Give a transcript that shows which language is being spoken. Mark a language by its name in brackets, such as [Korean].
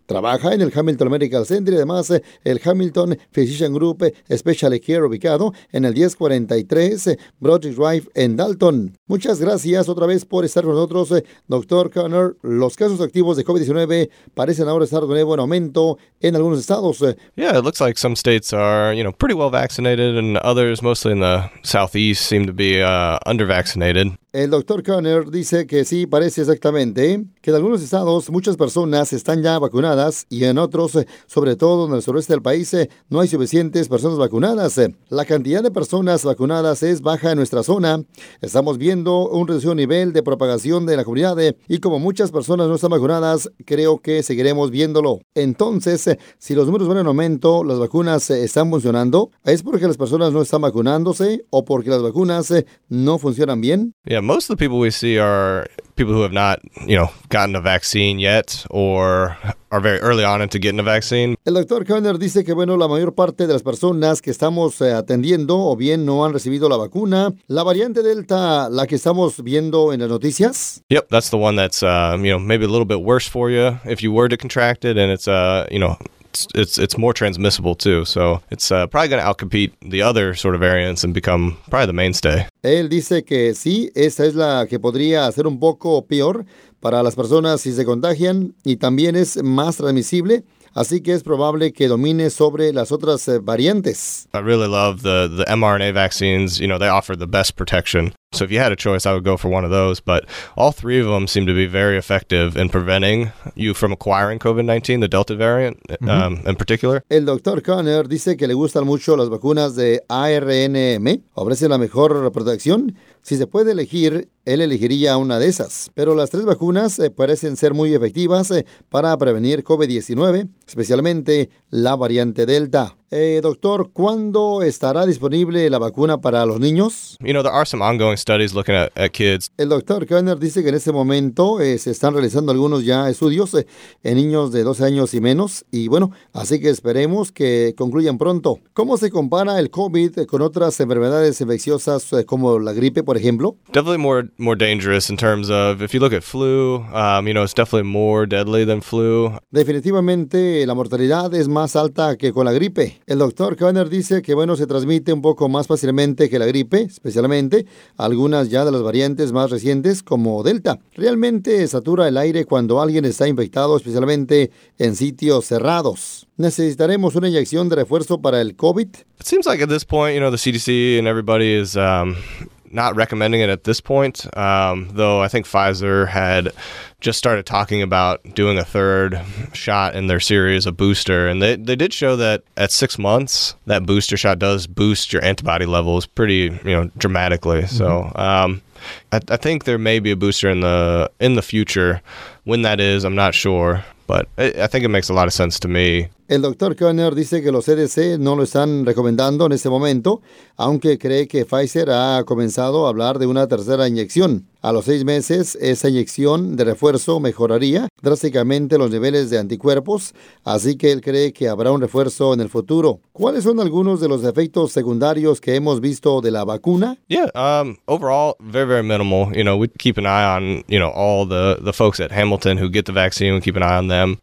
[Spanish] Trabaja en el Hamilton Medical Center y además el Hamilton Physician Group Special Care ubicado en el 1043 Broderick Drive en Dalton. Muchas gracias otra vez por estar con nosotros, Dr. Conner. Los casos activos de COVID-19 parecen ahora estar de nuevo en aumento en algunos estados. [English] Yeah, it looks like some states are, you know, pretty well vaccinated and others, mostly in the southeast, seem to be under-vaccinated. [Spanish] El Dr. Conner dice que sí, parece exactamente, que en algunos estados muchas personas están ya vacunadas y en otros, sobre todo en el sureste del país, no hay suficientes personas vacunadas. La cantidad de personas vacunadas es baja en nuestra zona. Estamos viendo un reducido nivel de propagación de la comunidad y como muchas personas no están vacunadas, creo que seguiremos viéndolo. Entonces, si los números van en aumento, las vacunas están funcionando, ¿es porque las personas no están vacunándose o porque las vacunas no funcionan bien? [English] Yeah, most of the people we see are people who have not, you know, gotten a vaccine yet or are very early on into getting a vaccine. [Spanish] El Dr. Conner dice que, bueno, la mayor parte de las personas que estamos atendiendo o bien no han recibido la vacuna, la variante Delta, la que estamos viendo en las noticias. [English] Yep, that's the one that's, you know, maybe a little bit worse for you if you were to contract it and it's, you know, It's more transmissible too, so it's probably going to outcompete the other sort of variants and become probably the mainstay. [Spanish] Él dice que sí, esta es la que podría ser un poco peor para las personas si se contagian y también es más transmisible, así que es probable que domine sobre las otras variantes. [English] I really love the mRNA vaccines. You know, they offer the best protection. So if you had a choice, I would go for one of those. But all three of them seem to be very effective in preventing you from acquiring COVID-19, the Delta variant in particular. [Spanish] El Dr. Conner dice que le gustan mucho las vacunas de ARNm. Ofrecen la mejor protección. Si se puede elegir, él elegiría una de esas. Pero las tres vacunas parecen ser muy efectivas para prevenir COVID-19, especialmente la variante Delta. Doctor, ¿cuándo estará disponible la vacuna para los niños? [English] You know, there are some ongoing studies looking at kids. [Spanish] El Dr. Conner dice que en este momento se están realizando algunos ya estudios en niños de 12 años y menos. Y bueno, así que esperemos que concluyan pronto. ¿Cómo se compara el COVID con otras enfermedades infecciosas como la gripe, por ejemplo? [English] Definitely more dangerous in terms of, if you look at flu, you know, it's definitely more deadly than flu. [Spanish] Definitivamente, la mortalidad es más alta que con la gripe. El Dr. Conner dice que, bueno, se transmite un poco más fácilmente que la gripe, especialmente algunas ya de las variantes más recientes como Delta. Realmente satura el aire cuando alguien está infectado, especialmente en sitios cerrados. ¿Necesitaremos una inyección de refuerzo para el COVID? [English] It seems like at this point, you know, the CDC and everybody is not recommending it at this point, though I think Pfizer had just started talking about doing a third shot in their series, a booster, and they did show that at 6 months, that booster shot does boost your antibody levels pretty, you know, dramatically. Mm-hmm. So I think there may be a booster in the future. When that is, I'm not sure, but I think it makes a lot of sense to me. [Spanish] El Dr. Conner dice que los CDC no lo están recomendando en este momento, aunque cree que Pfizer ha comenzado a hablar de una tercera inyección. A los 6 meses, esa inyección de refuerzo mejoraría drásticamente los niveles de anticuerpos, así que él cree que habrá un refuerzo en el futuro. ¿Cuáles son algunos de los efectos secundarios que hemos visto de la vacuna? [English] Yeah, overall, very, very minimal. You know, we keep an eye on, you know, all the folks at Hamilton who get the vaccine, we keep an eye on them.